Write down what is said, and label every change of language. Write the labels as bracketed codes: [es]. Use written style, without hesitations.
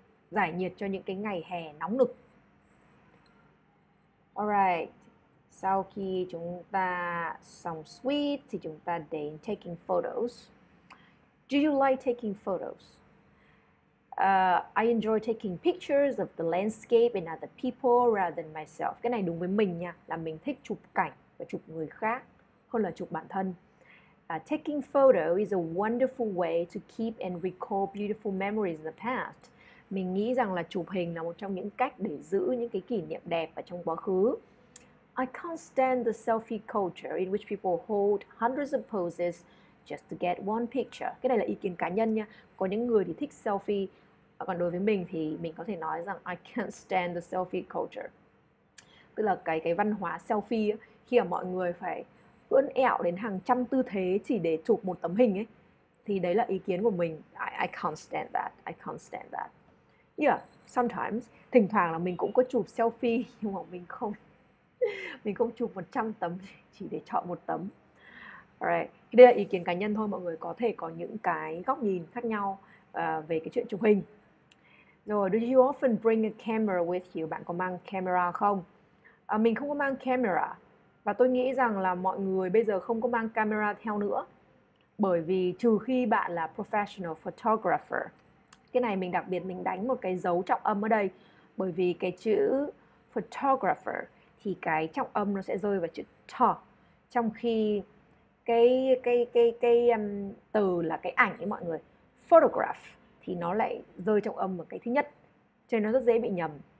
[vi] Giải nhiệt cho những cái ngày hè nóng nực. Alright. Sau khi chúng ta xong sweet thì chúng ta đến taking photos. [en] Do you like taking photos? I enjoy taking pictures of the landscape and other people rather than myself. [vi] Cái này đúng với mình nha, là mình thích chụp cảnh và chụp người khác hơn là chụp bản thân. [en] Taking photo is a wonderful way to keep and recall beautiful memories in the past. [vi] Mình nghĩ rằng là chụp hình là một trong những cách để giữ những cái kỷ niệm đẹp ở trong quá khứ. [en] I can't stand the selfie culture in which people hold hundreds of poses just to get one picture. [vi] Cái này là ý kiến cá nhân nha. Có những người thì thích selfie, còn đối với mình thì mình có thể nói rằng [en] I can't stand the selfie culture. [vi] Tức là cái văn hóa selfie ấy, khi mà mọi người phải uốn ẹo đến hàng trăm tư thế chỉ để chụp một tấm hình ấy, thì đấy là ý kiến của mình. [en] I can't stand that. I can't stand that. Yeah, sometimes. [vi] Thỉnh thoảng là mình cũng có chụp selfie nhưng mà mình không chụp 100 tấm, chỉ để chọn một tấm. Alright. Đây là ý kiến cá nhân thôi, mọi người có thể có những cái góc nhìn khác nhau về cái chuyện chụp hình. [en] Rồi, do you often bring a camera with you? [vi] Bạn có mang camera không? Mình không có mang camera. Và tôi nghĩ rằng là mọi người bây giờ không có mang camera theo nữa. Bởi vì trừ khi bạn là professional photographer. Cái này mình đặc biệt mình đánh một cái dấu trọng âm ở đây. Bởi vì cái chữ photographer thì cái trọng âm nó sẽ rơi vào chữ thọ, trong khi cái từ là cái ảnh ấy mọi người, photograph thì nó lại rơi trọng âm ở cái thứ nhất, cho nên nó rất dễ bị nhầm.